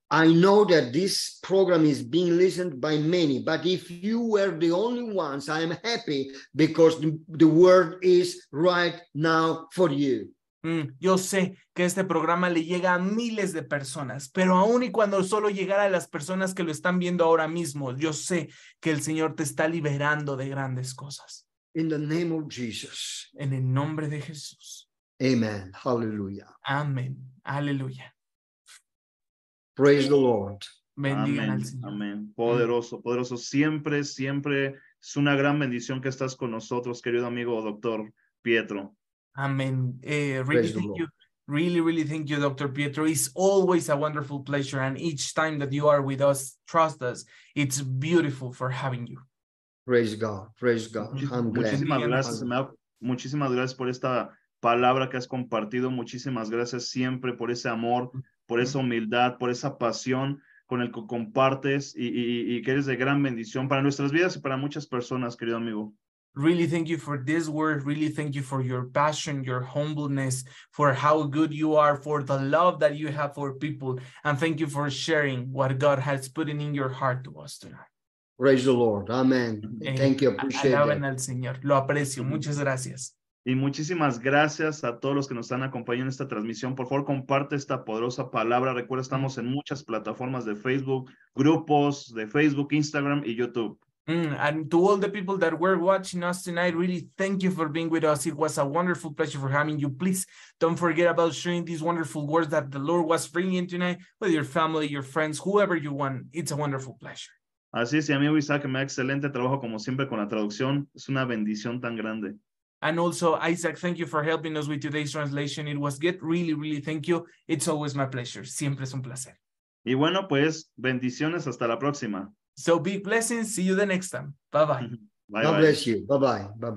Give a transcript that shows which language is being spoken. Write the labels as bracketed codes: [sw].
[en] I know that this program is being listened by many, but if you were the only ones, I am happy because the word is right now for you. [es] Yo sé que este programa le llega a miles de personas, pero aun y cuando solo llegara a las personas que lo están viendo ahora mismo, yo sé que el Señor te está liberando de grandes cosas. [en] In the name of Jesus. [es] En el nombre de Jesús. [en] Amen. Hallelujah. [es] Amen. Aleluya. [en] Praise the Lord. [es] Bendigan al Señor. Amen. Poderoso, poderoso. Siempre, siempre es una gran bendición que estás con nosotros, querido amigo, doctor Pietro. [en] Amén. Rick, thank you. Really, really thank you, Dr. Pietro. It's always a wonderful pleasure. And each time that you are with us, trust us, it's beautiful for having you. Praise God. Praise God. I'm glad. [es] Muchísimas gracias. Muchísimas gracias por esta palabra que has compartido. Muchísimas gracias siempre por ese amor, por esa humildad, por esa pasión con el que compartes y que eres de gran bendición para nuestras vidas y para muchas personas, querido amigo. [en] Really thank you for this word. Really thank you for your passion, your humbleness, for how good you are, for the love that you have for people. And thank you for sharing what God has put in your heart to us tonight. Praise the Lord. Amen. Thank you. Appreciate [es] it. Alaben al Señor. Lo aprecio. Muchas gracias. Y muchísimas gracias a todos los que nos están acompañando en esta transmisión. Por favor, comparte esta poderosa palabra. Recuerda, estamos en muchas plataformas de Facebook, grupos de Facebook, Instagram y YouTube. [en] And to all the people that were watching us tonight, really thank you for being with us. It was a wonderful pleasure for having you. Please don't forget about sharing these wonderful words that the Lord was bringing tonight with your family, your friends, whoever you want. It's a wonderful pleasure. [es] Así es, y amigo Isaac, me da excelente trabajo como siempre con la traducción. Es una bendición tan grande. [en] And also, Isaac, thank you for helping us with today's translation. It was good. Really, really thank you. It's always my pleasure. [es] Siempre es un placer. Y bueno, pues, bendiciones. Hasta la próxima. [en] So big blessings. See you the next time. Bye-bye. Bye-bye. God bless you. Bye-bye. Bye-bye.